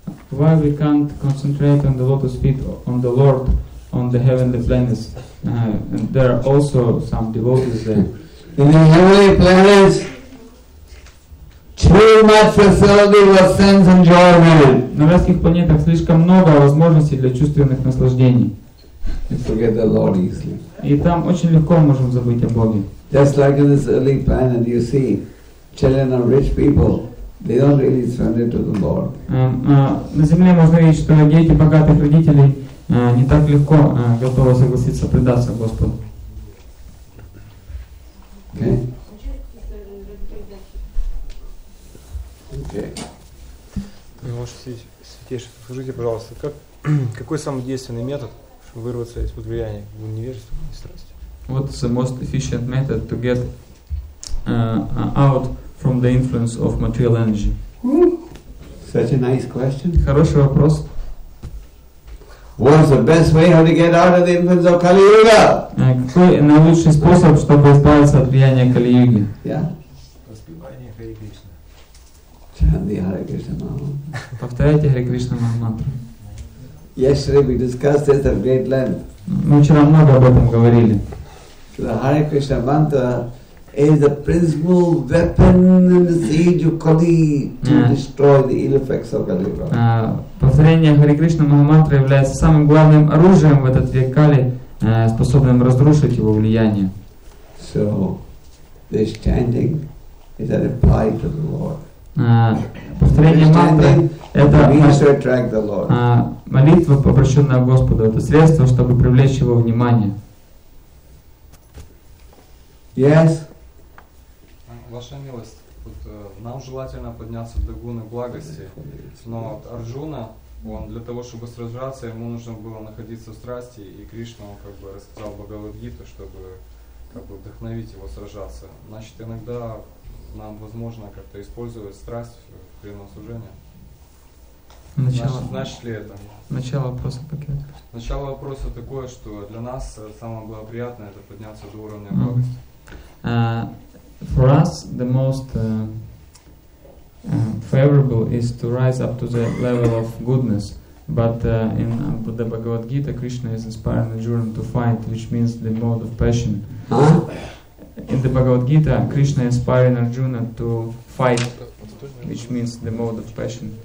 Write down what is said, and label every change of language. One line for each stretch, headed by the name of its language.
English: Why we can't concentrate on the lotus feet on the Lord, on the heavenly planets? And there are also some devotees there. In the heavenly planets, too much facility for sense enjoyment.
Russian: На райских планетах слишком много возможностей для чувственных наслаждений.
English: And forget the Lord easily.
Russian: И там очень легко можем забыть о Боге.
English: Just like in this early planet, you see, children of rich people, they don't really surrender to the Lord.
Russian: На земле можно видеть, что дети богатых родителей не так легко готовы согласиться предаться Господу.
English: Okay.
Russian: Ваше святейшество, скажите, пожалуйста, какой самый действенный метод, чтобы вырваться из под влияния невежества и страсти?
English: What's the most efficient method to get out from the influence of material energy? Such a nice question.
Russian: Хороший вопрос.
English: What's the best way how to get out of the influence of Kali Yuga?
Russian: Какой наилучший способ, чтобы избавиться от влияния Кали Юги?
English: Yeah.
Russian: Воспевание Хари Кришна. Чанди Хари Кришна Мантру. Повторяйте Хари Кришна Мантру.
English: Yesterday we discussed this at great length.
Russian: Мы вчера много об этом говорили.
English: The Hare Krishna mantra is the principal weapon in the siege of Kali to destroy the ill effects of Kali Yuga.
Russian: Повторение Hare Krishna mantra является самым главным оружием в этот век Кали, способным разрушить его влияние.
English: So this chanting is a reply to the Lord.
Russian: Повторение мантры — это молитва, обращенная к Господу. Это средство, чтобы привлечь его внимание.
English: Yes.
Russian: Ваша милость, вот, нам желательно подняться до гуны благости, но вот Арджуна, он для того, чтобы сражаться, ему нужно было находиться в страсти, и Кришна, он как бы рассказал Бхагавад-гиту, чтобы как бы вдохновить его сражаться. Значит, иногда нам возможно как-то использовать страсть в преданном служении. Значит ли это? Начало вопроса пока. Начало вопроса такое, что для нас самое благоприятное — это подняться до уровня благости.
English: For us, the most favorable is to rise up to the level of goodness. But in the Bhagavad Gita, Krishna is inspiring Arjuna to fight, which means the mode of passion. Huh? In the Bhagavad Gita, Krishna is inspiring Arjuna to fight, which means the mode of passion.